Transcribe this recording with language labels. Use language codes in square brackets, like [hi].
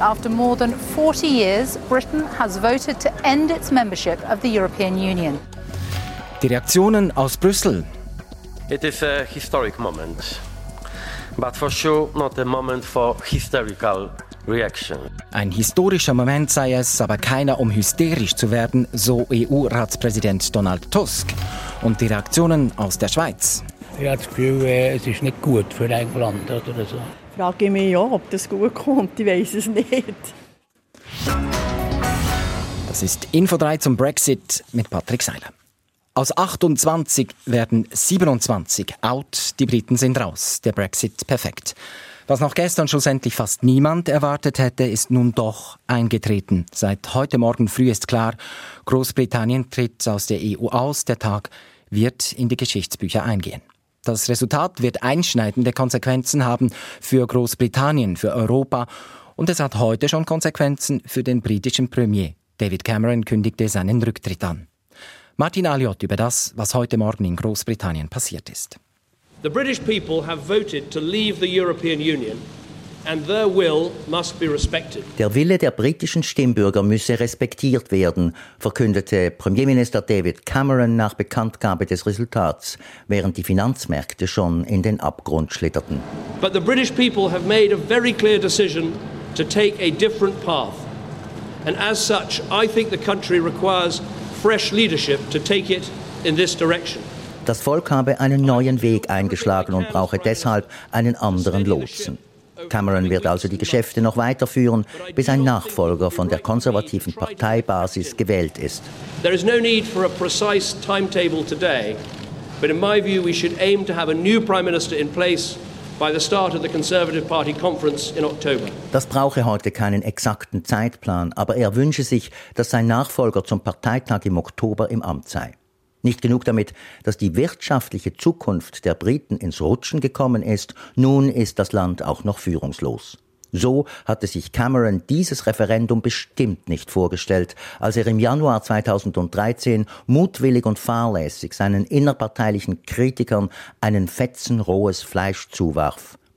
[en] After more than 40 years, Britain has voted to end its membership of the European Union. [de] Die Reaktionen aus Brüssel. [en] It is a historic moment, but for sure not a moment for hysterical reaction. [de] Ein historischer Moment sei es, aber keiner, um hysterisch zu werden, so EU-Ratspräsident Donald Tusk. Und die Reaktionen aus der Schweiz. Ich habe das Gefühl, es ist nicht gut für England oder so. Frage mich ja, ob das gut kommt, ich weiß es nicht. Das ist Info 3 zum Brexit mit Patrick Seiler. Aus 28 werden 27 out, die Briten sind raus, der Brexit perfekt. Was noch gestern schlussendlich fast niemand erwartet hätte, ist nun doch eingetreten. Seit heute Morgen früh ist klar, Großbritannien tritt aus der EU aus, der Tag wird in die Geschichtsbücher eingehen. Das Resultat wird einschneidende Konsequenzen haben für Großbritannien, für Europa. Und es hat heute schon Konsequenzen für den britischen Premier. David Cameron kündigte seinen Rücktritt an. Martin Aliot über das, was heute Morgen in Großbritannien passiert ist. [en] The British people have voted to leave the European Union. And their will must be respected. [de] Der Wille der britischen Stimmbürger müsse respektiert werden, verkündete Premierminister David Cameron nach Bekanntgabe des Resultats, während die Finanzmärkte schon in den Abgrund schlitterten. [en] But the British people have made a very clear decision to take a different path. And as such, I think the country requires fresh leadership to take it in this direction. [de] Das Volk habe einen neuen Weg eingeschlagen und brauche deshalb einen anderen Lotsen. Cameron wird also die Geschäfte noch weiterführen, bis ein Nachfolger von der konservativen Parteibasis gewählt ist. [en] There is no need for a precise timetable today, but in my view we should aim to have a new prime minister in place by the start of the Conservative Party conference in October. [de] Das brauche heute keinen exakten Zeitplan, aber er wünsche sich, dass sein Nachfolger zum Parteitag im Oktober im Amt sei. Nicht genug damit, dass die wirtschaftliche Zukunft der Briten ins Rutschen gekommen ist, nun ist das Land auch noch führungslos. So hatte sich Cameron dieses Referendum bestimmt nicht vorgestellt, als er im Januar 2013 mutwillig und fahrlässig seinen innerparteilichen Kritikern einen Fetzen rohes Fleisch zuwarf.